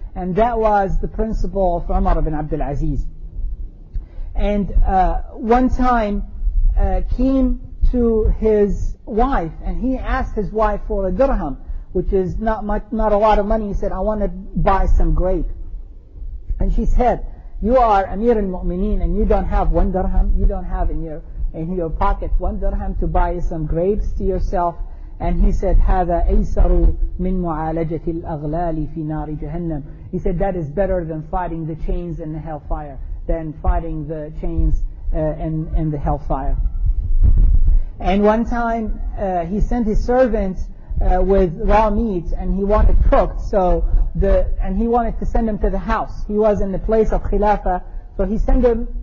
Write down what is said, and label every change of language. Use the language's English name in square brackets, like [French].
[English] And that was the principle of Umar ibn Abdul Aziz. And one time came to his wife, and he asked his wife for a dirham, which is not much, not a lot of money. He said, "I want to buy some grape." And she said, "You are Amir al-Mu'mineen and you don't have one dirham, you don't have in your pocket one dirham to buy some grapes to yourself." And he said, [Arabic] "هَذَا أَيْسَرُ مِنْ مُعَالَجَةِ الْأَغْلَالِ فِي نَارِ جَهَنَّمْ." [English] He said, "That is better than fighting the chains in the hellfire, than fighting the chains in the hellfire." And one time he sent his servants with raw meat, and he wanted cooked, and he wanted to send them to the house. He was in the place of Khilafah, so he sent them